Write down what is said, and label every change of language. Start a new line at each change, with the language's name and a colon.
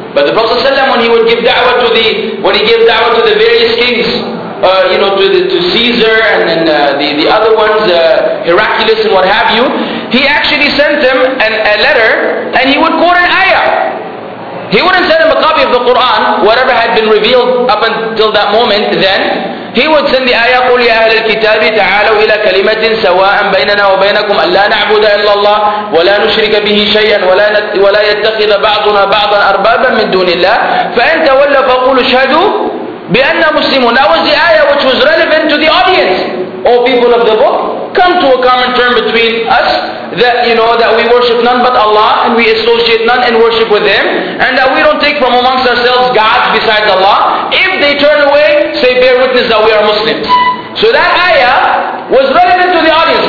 English: But the Prophet ﷺ, when he would give da'wah to the various kings, to Caesar and then the other ones, Heraclius and what have you, he actually sent them a letter and he would quote an ayah. He wouldn't send him a copy of the Quran, whatever had been revealed up until that moment then.
Arabic: He would send the ayah, قُلْ يَا أَهْلَ الْكِتَابِ تَعَالَوْا إِلَىٰ كَلِمَةٍ سَوَاءً بَيْنَنَا وَبَيْنَكُمْ أَلَّا نَعْبُدَ إِلَّا اللَّهِ وَلَا نُشْرِكَ بِهِ شَيْئًا وَلَا يَتَّخِذَ بَعْضُنَا بَعْضًا أَرْبَابًا مِنْ دُونِ اللَّهِ فَإِن تَوَلَّ فَقُولُ شَهَدُوا بِأَنَّا مُسْلِمُونَ.
English: That was the ayah which was relevant to the audience. O people of the book, come to a common term between us that you know that we worship none but Allah and we associate none in worship with Him and that we don't take from amongst ourselves gods besides Allah. If they turn away, say bear witness that we are Muslims. So that ayah was relevant to the audience.